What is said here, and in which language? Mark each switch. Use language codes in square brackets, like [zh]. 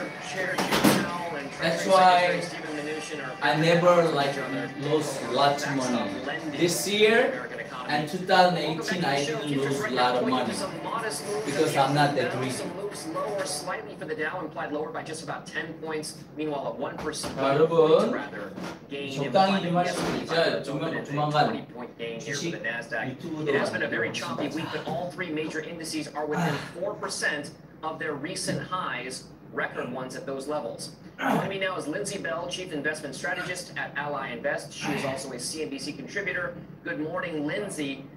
[en] That's why I never like lost a lot of money. This year and 2018 I didn't lose a lot of money. Because I'm not that greedy. Lower slightly for the Dow, implied lower by just about 10 points. Meanwhile, a 1% rather gain. [ko] 적당히 좀 하시고 이제 조만간 [en] 주식 It has been a very choppy week, but all three major indices are within 4% of their recent highs, record ones at those levels. Joining me now is Lindsay Bell, Chief Investment Strategist at Ally Invest. She is also a CNBC contributor. Good morning, Lindsay.